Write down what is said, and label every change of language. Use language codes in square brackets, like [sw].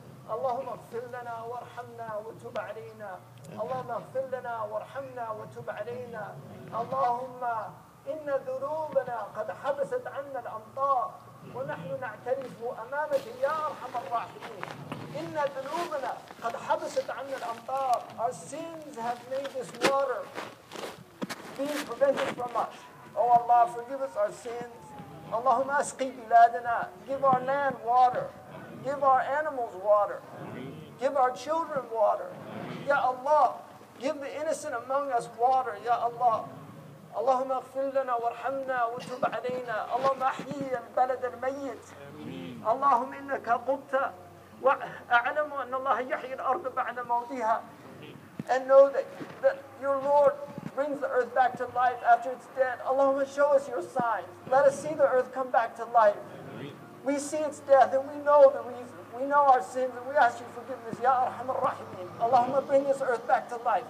[ar] اللهم اغفر لنا وارحمنا وتب علينا. اللهم اغفر لنا وارحمنا وتب علينا. اللهم إن ذنوبنا قد حبست عنا الأمطار، ونحن نعترف أمامك يا أرحم الراحمين. إن ذنوبنا قد حبست عنا الأمطار. [en] Our sins have made this water being prevented from us. Oh Allah, forgive us our sins. [ar] اللهم أسقي بلادنا. [en] Give our land water. Give our animals water. Give our children water. Ya Allah, give the innocent among us water. Ya Allah. [ar] اللهم اغفر لنا وارحمنا وتب علينا. اللهم احي البلد الميت. اللهم انك قمت واعلم ان الله يحيي الارض بعد موتها. [en] And know that your Lord brings the earth back to life after it's dead. Allahumma show us your signs. Let us see the earth come back to life. We see its death and we know the reason. We know our sins and we ask your forgiveness. Ya Arham al-Rahimeen. Allahumma bring this earth back to life.